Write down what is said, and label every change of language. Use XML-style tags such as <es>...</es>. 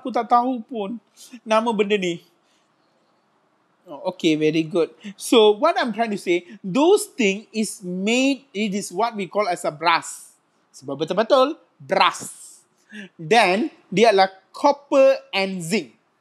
<ms>Aku tak tahu pun nama benda ni.</ms> <en>Oh, okay, very good. So, what I'm trying to say, those thing is made, it is what we call as a brass.</en> <ms>Sebab betul-betul, brass.</ms> <en>Then,</en> <ms>dia adalah</ms> <en>copper and zinc.</en>